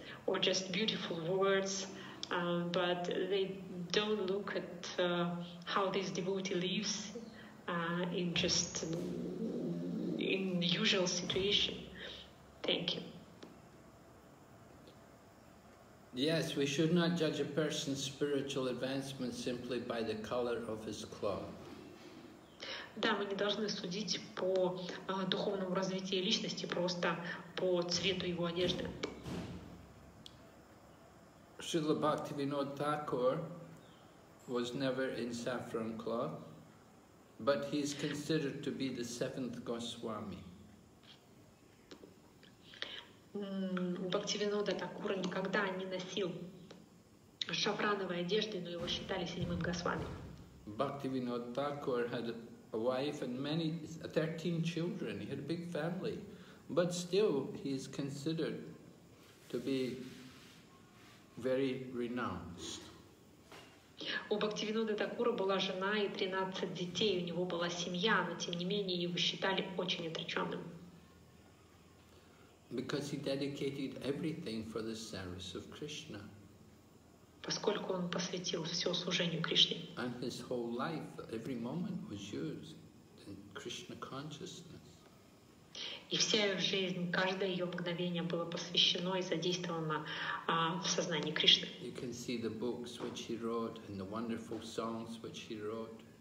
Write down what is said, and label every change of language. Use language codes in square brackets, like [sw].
[en] or just beautiful words, but they don't look at how this devotee lives in just in the usual situation. Thank you. Yes, we should not judge a person's spiritual advancement simply by the color of his cloth. [ru] Да, мы не должны судить по духовному развитию личности просто по цвету его одежды. [en] Шрила Бхактивинод Тхакур was never in saffron cloth, but he is considered to be the seventh Госвами. [ru] Бхактивинода Тхакур никогда не носил шафрановой одежды, но его считали седьмым Госвами. [en] Бхактивинод Тхакур had a wife and many 13 children. He had a big family, but still he is considered to be very renounced. [ru] У Бхактивинода Тхакура была жена и 13 детей. У него была семья, но тем не менее его считали очень отреченным. [en] Because he dedicated everything for the service of Krishna. [ru] Поскольку он посвятил все служению Кришне. [en] And his whole life, every moment was used in Krishna consciousness. [ru] И вся его жизнь, каждое ее мгновение было посвящено и задействовано в сознании Кришны. [en] You can see the books which he wrote and the wonderful songs which he wrote.